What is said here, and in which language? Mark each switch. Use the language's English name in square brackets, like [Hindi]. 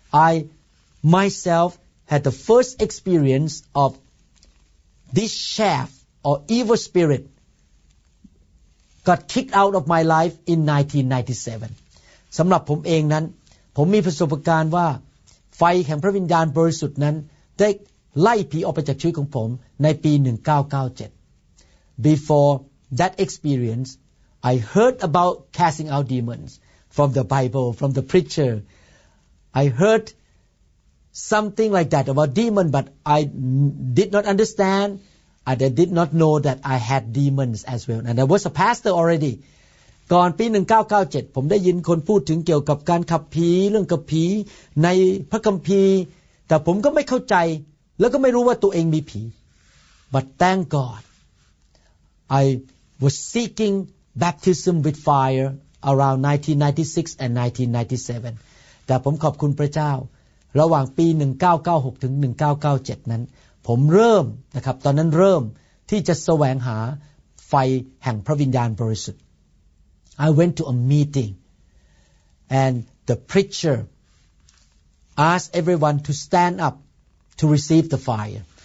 [English] I myself had the first experience of this chaff or evil spirit got kicked out of my life in 1997 [Thai] สำหรับผมเองนั้นผมมีประสบการณ์ว่าไฟแห่งพระวิญญาณบริสุทธิ์นั้นได้ไล่ผีออกไปจากชีวิตของผมในปี1997 [English] beforeThat experience, I heard about casting out demons from the Bible, from the preacher. I heard something like that about demon, but I did not understand. I did not know that I had demons as well. And I was a pastor already. [Thai] ก่อนปี1997ผมได้ยินคนพูดถึงเกี่ยวกับการขับผีเรื่องกับผีในพระคัมภีร์แต่ผมก็ไม่เข้าใจแล้วก็ไม่รู้ว่าตัวเองมีผี [English] But thank GodI was seeking baptism with fire around 1996 and 1997. [Thai] แต่ผมขอบคุณพระเจ้าระหว่างปี1996ถึง1997นั้นผมเริ่มนะครับตอนนั้นเริ่มที่จะแสวงหาไฟแห่งพระวิญญาณบริสุทธิ์ [English] I went to a meeting and the preacher asked everyone to stand up to receive the fire.